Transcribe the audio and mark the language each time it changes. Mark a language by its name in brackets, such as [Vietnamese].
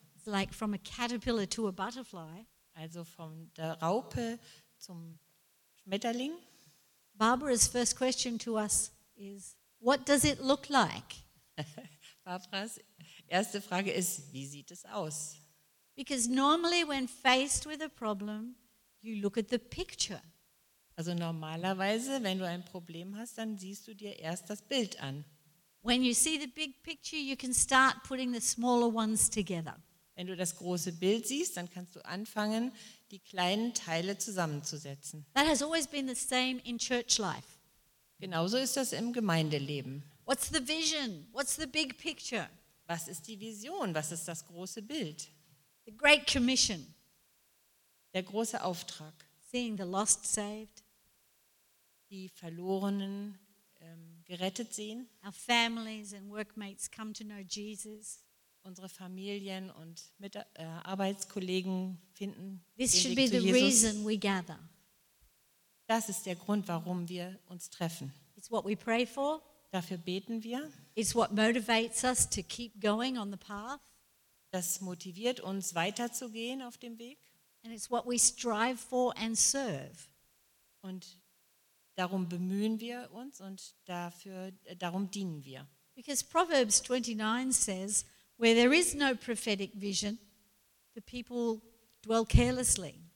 [English] it's like from a caterpillar to a butterfly, [German] also von der Raupe zum Schmetterling. [English] Barbara's first question to us is, what does it look like? [German] Barbaras erste Frage ist, wie sieht es aus? [English] Because normally when faced with a problem, you look at the picture. [German] Also normalerweise, wenn du ein Problem hast, dann siehst du dir erst das Bild an. [English] When you see the big picture, you can start putting the smaller ones together. [German] Wenn du das große Bild siehst, dann kannst du anfangen, die kleinen Teile zusammenzusetzen. [English] That has always been the same in church life. [German] Genauso ist das im Gemeindeleben. [English] What's the vision? What's the big picture? [German] Was ist die Vision? Was ist das große Bild? [English] The Great Commission. [German] Der große Auftrag. [English] Seeing the lost saved. [German] Die Verlorenen gerettet sehen. [English] Our families and workmates come to know Jesus. [German] Unsere Familien und Arbeitskollegen finden den Weg zu Jesus. [English] This should be the reason we gather. [German] Das ist der Grund, warum wir uns treffen. [English] It's what we pray for. [German] Dafür beten wir. [English] It's what motivates us to keep going on the path. [German] Das motiviert uns, weiterzugehen auf dem Weg. [English] And it's what we strive for and serve. [German] Und darum bemühen wir uns und darum dienen wir. [English] Because Proverbs 29 says, where there is no prophetic vision, the people dwell carelessly.